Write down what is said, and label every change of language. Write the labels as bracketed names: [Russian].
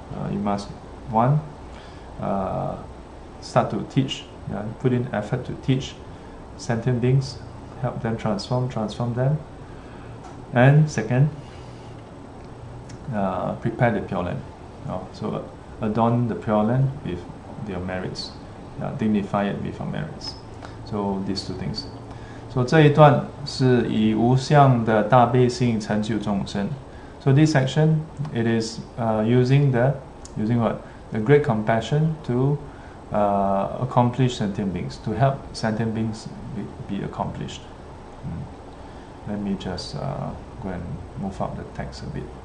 [English] You must, one, start to teach, put in effort to teach sentient beings, help them transform them. And second, prepare the Pure Land. So adorn the Pure Land with their merits, dignify it with your merits. So these two things. [Chinese] So 这一段是以无相的大悲心成就众生. [English] So this section, it is using the great compassion to accomplish sentient beings, to help sentient beings be accomplished. Let me just go and move up the text a bit.